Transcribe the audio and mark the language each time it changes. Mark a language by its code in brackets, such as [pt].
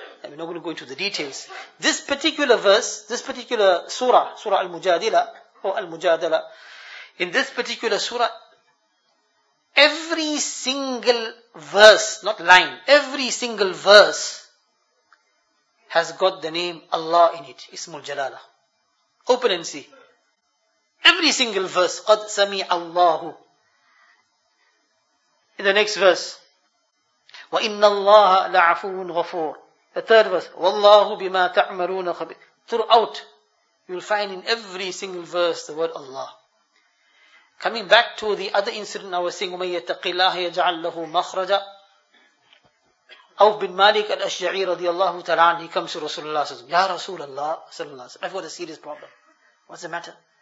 [en] We're not going to go into the details. This particular verse, this particular surah, Surah Al-Mujadilah, or Al-Mujadilah, in this particular surah, every single verse, not line, every single verse has got the name Allah in it, Ismul Jalala. Open and see. Every single verse, [ar] قَدْ سَمِعَ اللَّهُ. [en] In the next verse, [ar] وَإِنَّ اللَّهَ لَعَفُوٌ غَفُورٌ. [en] The third verse, [ar] وَاللَّهُ بِمَا تَعْمَلُونَ خَبِيرٌ. [en] Throughout, you'll find in every single verse the word Allah. Coming back to the other incident, I was saying, [ar] وَمَنْ يَتَقِ اللَّهَ يَجْعَلْ لَهُ مَخْرَجًا. [en] Auf bin Malik al-Ashja'i radiallahu ta'ala, he comes to Rasulullah, says, Ya Rasulullah, sallallahu alayhi wa sallam, I've got a serious problem. What's the matter?